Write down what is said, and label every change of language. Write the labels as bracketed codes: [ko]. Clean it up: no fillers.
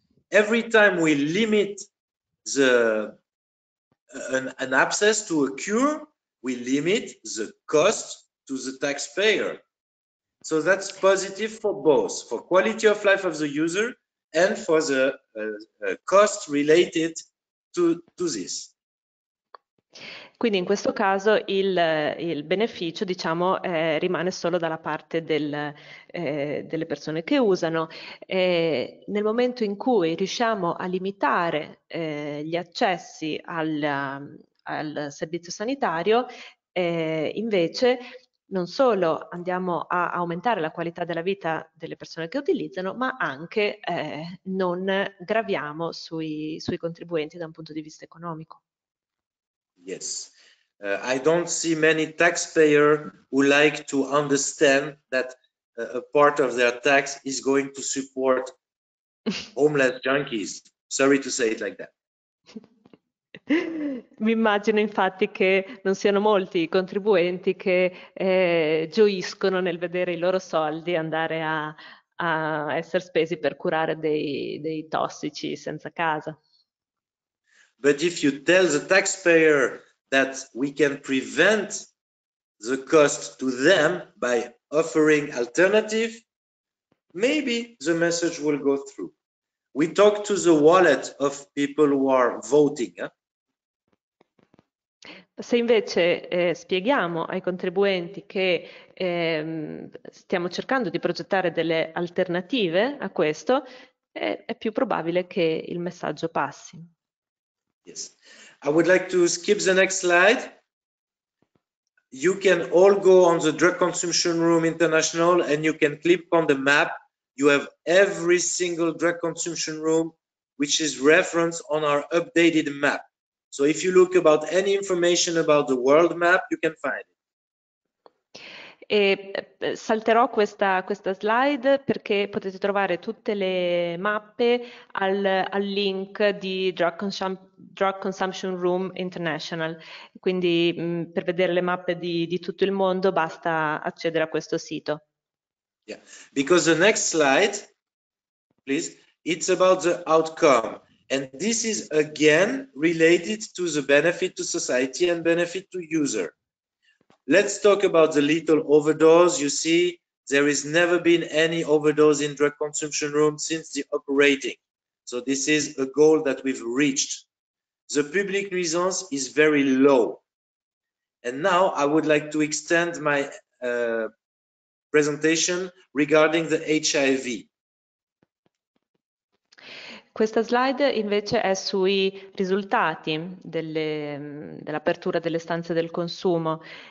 [en] Every time we limit an access to a cure, we limit the cost to the taxpayer. So that's positive for both, for quality of life of the user and for the cost related to this. [it] Quindi in questo caso il beneficio, diciamo, rimane solo dalla parte delle persone che usano. Nel momento in cui riusciamo a limitare gli accessi al servizio sanitario, invece non solo andiamo a aumentare la qualità della vita delle persone che utilizzano, ma anche non graviamo sui contribuenti da un punto di vista economico. [en] Yes, I don't see many taxpayers who like to understand that a part of their tax is going to support homeless junkies. Sorry to say it like that. [it] Mi immagino infatti che non siano molti i contribuenti che gioiscono nel vedere i loro soldi andare a essere spesi per curare dei tossici senza casa. [en] But if you tell the taxpayer that we can prevent the cost to them by offering alternative, maybe the message will go through. We talk to the wallet of people who are voting. [it] Se invece spieghiamo ai contribuenti che stiamo cercando di progettare delle alternative a questo, è più probabile che il messaggio passi. [en] Yes, I would like to skip the next slide. You can all go on the Drug Consumption Room International and you can click on the map. You have every single drug consumption room, which is referenced on our updated map. So if you look about any information about the world map, you can find it. [it] E salterò questa slide perché potete trovare tutte le mappe al link di Drug Consumption Room International. Quindi per vedere le mappe di tutto il mondo basta accedere a questo sito. [en] Yeah, because the next slide, please, it's about the outcome. And this is again related to the benefit to society and benefit to user. Let's talk about the lethal overdose. You see, there has never been any overdose in drug consumption room since the operating. So this is a goal that we've reached. The public nuisance is very low. And now I would like to extend my presentation regarding the HIV. [it] Questa slide invece è sui risultati dell'apertura delle stanze del consumo.